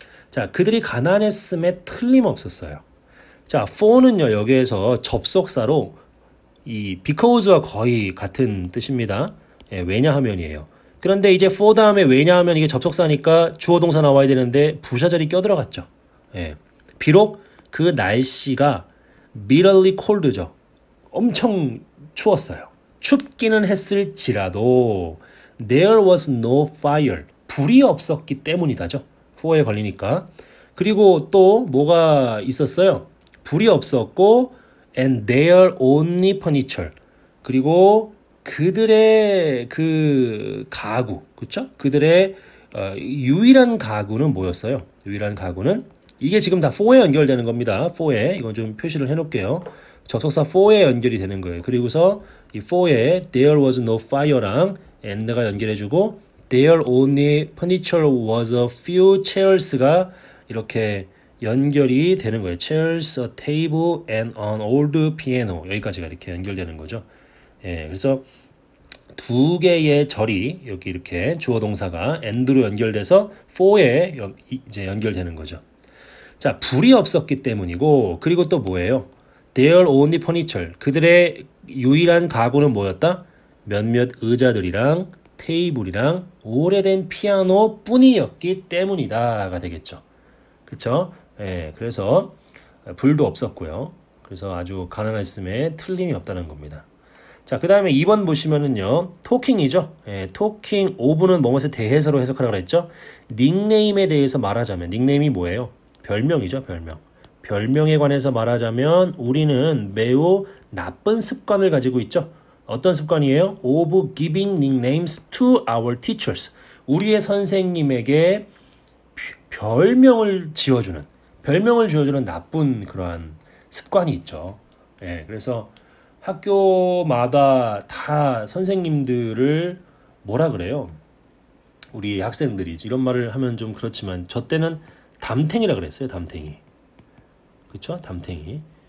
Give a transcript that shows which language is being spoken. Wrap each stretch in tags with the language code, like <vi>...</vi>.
<ko>자, 그들이 가난했음에 틀림없었어요. 자, for는요, 여기에서 접속사로 이 because와 거의 같은 뜻입니다. 예, 왜냐하면이에요. 그런데 이제 for 다음에 왜냐하면 이게 접속사니까 주어동사 나와야 되는데 부사절이 껴들어갔죠. 예, 비록 그 날씨가</ko> <en>bitterly cold</en> <ko>죠. 엄청 추웠어요. 춥기는 했을지라도</ko> <en>there was no fire.</en> <ko>불이 없었기 때문이다죠. for에 걸리니까. 그리고 또 뭐가 있었어요? 불이 없었고,</ko> <en>and their only furniture.</en> <ko>그리고 그들의 그 가구, 그쵸? 그들의 유일한 가구는 뭐였어요? 유일한 가구는 이게 지금 다 for에 연결되는 겁니다. for에 이건 좀 표시를 해놓을게요. 접속사 for에 연결이 되는 거예요. 그리고서 이</ko> <en>for에 there was no fire랑 and가 연결해주고 there only furniture was a few chairs가</en> <ko>이렇게 연결이 되는 거예요.</ko> <en>chairs, a table, and an old piano</en> <ko>여기까지가 이렇게 연결되는 거죠. 예, 그래서 두 개의 절이 여기 이렇게 주어 동사가 and로 연결돼서 for에 이제 연결되는 거죠. 자, 불이 없었기 때문이고, 그리고 또 뭐예요?</ko> <en>Their only furniture.</en> <ko>그들의 유일한 가구는 뭐였다? 몇몇 의자들이랑 테이블이랑 오래된 피아노 뿐이었기 때문이다가 되겠죠. 그쵸? 예, 그래서 불도 없었고요. 그래서 아주 가능했음에 틀림이 없다는 겁니다. 자, 그 다음에 2번 보시면은요, 토킹이죠? 예, 토킹 오브는 뭐뭐에 대해서로 해석하라고 했죠? 닉네임에 대해서 말하자면, 닉네임이 뭐예요? 별명이죠, 별명. 별명에 관해서 말하자면, 우리는 매우 나쁜 습관을 가지고 있죠? 어떤 습관이에요?</ko> <en>Of giving nicknames to our teachers.</en> <ko>우리의 선생님에게 별명을 지어주는 나쁜 그러한 습관이 있죠. 예, 그래서, 학교마다 다 선생님들을 뭐라 그래요? 우리 학생들이 이런 말을 하면 좀 그렇지만 저 때는 담탱이라 그랬어요, 담탱이. 그쵸? 담탱이.</ko>